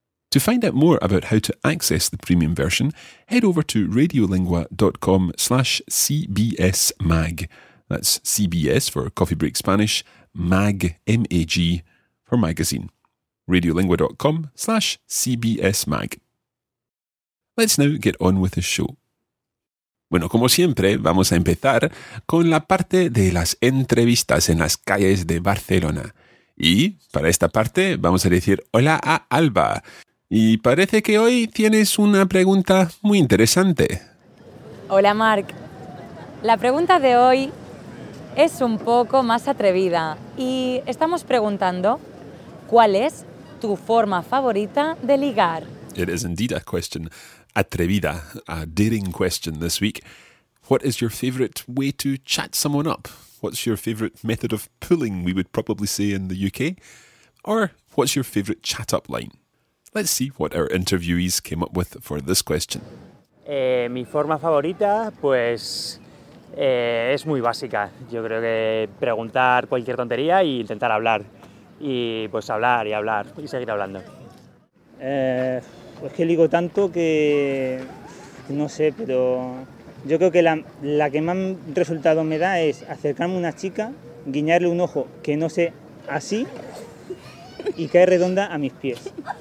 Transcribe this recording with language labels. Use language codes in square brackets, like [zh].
[en] To find out more about how to access the premium version, head over to radiolingua.com/CBSMag. That's CBS for Coffee Break Spanish, MAG, M-A-G, for magazine. radiolingua.com/CBSMag. Let's now get on with the show. [es] Bueno, como siempre, vamos a empezar con la parte de las entrevistas en las calles de Barcelona. Y para esta parte vamos a decir hola a Alba. Y parece que hoy tienes una pregunta muy interesante. Hola, Marc. La pregunta de hoy es un poco más atrevida. Y estamos preguntando, ¿cuál es tu forma favorita de ligar? [en] It is indeed a question atrevida, a daring question this week. What is your favorite way to chat someone up? What's your favorite method of pulling, we would probably say in the UK? Or what's your favorite chat-up line? Let's see what our interviewees came up with for this question. [es] Mi forma favorita, pues, es muy básica. Yo creo que preguntar cualquier tontería y intentar hablar. Y pues hablar y hablar y seguir hablando. Pues que ligo tanto que no sé, pero yo creo que la que más resultado me da es acercarme a una chica, guiñarle un ojo que no sé, así, y cae redonda a mis pies.